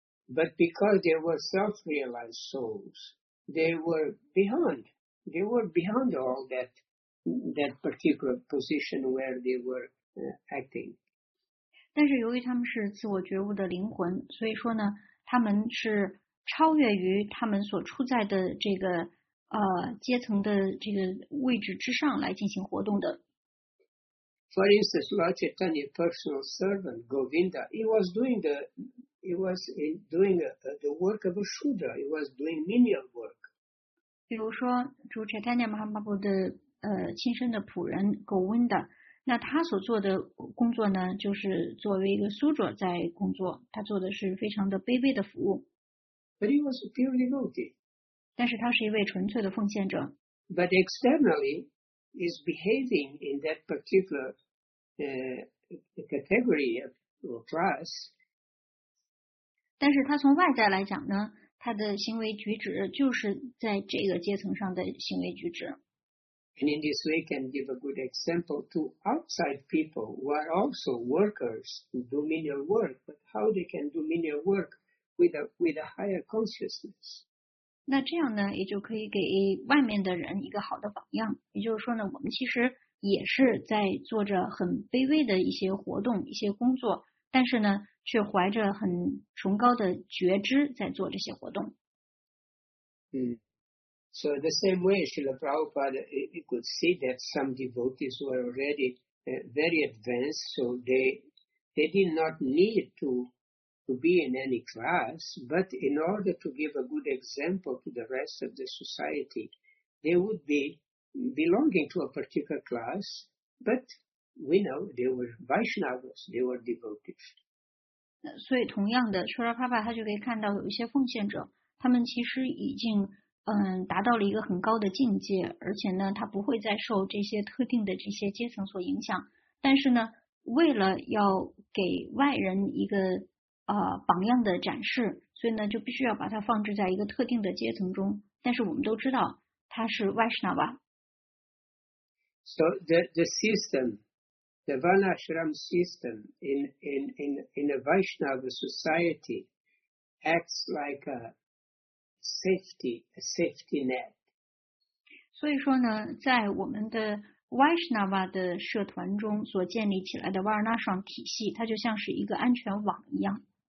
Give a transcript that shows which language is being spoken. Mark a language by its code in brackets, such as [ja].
[en] But because they were self-realized souls, they were behind all that particular position where they were acting. [zh] 但是由于他们是自我觉悟的灵魂，所以说呢，他们是超越于他们所处在的这个阶层的这个位置之上来进行活动的。 [en] For instance, Lord Chaitanya's personal servant Govinda, he was doing the work of a Shudra. He was doing menial work. [zh] 比如说，主 Chaitanya Mahaprabhu 的亲身的仆人 Govinda， 那他所做的工作呢，就是作为一个 Shudra 在工作，他做的是非常的卑微的服务。 [en] But he was a pure devotee. [zh] 但是他是一位纯粹的奉献者。 [en] But externally, is behaving in that particular category of class. [zh] 但是他从外在来讲呢，他的行为举止就是在这个阶层上的行为举止。 [en] And in this way, can give a good example to outside people who are also workers who do menial work, but how they can do menial work. With a higher consciousness. [zh] 那这样呢，也就可以给外面的人一个好的榜样。也就是说呢，我们其实也是在做着很卑微的一些活动、一些工作，但是呢，却怀着很崇高的觉知在做这些活动。嗯。 [en] So the same way, Srila Prabhupada, you could see that some devotees were already very advanced, so they did not need to be in any class, but in order to give a good example to the rest of the society, they would be belonging to a particular class, but we know they were Vaishnavas, they were devotees. [zh] 所以同样的，舍拉帕帕他就可以看到有一些奉献者，他们其实已经达到了一个很高的境界，而且呢，他不会再受这些特定的这些阶层所影响。但是呢，为了要给外人一个榜样的展示，所以呢，就必须要把它放置在一个特定的阶层中。但是我们都知道，它是 Vaishnava。 [en] So the system, the Vanashram system in a Vaishnava society acts like a safety net. [zh] 所以说呢，在我们的 Vaishnava 的社团中所建立起来的 Vanashram 体系，它就像是一个安全网一样。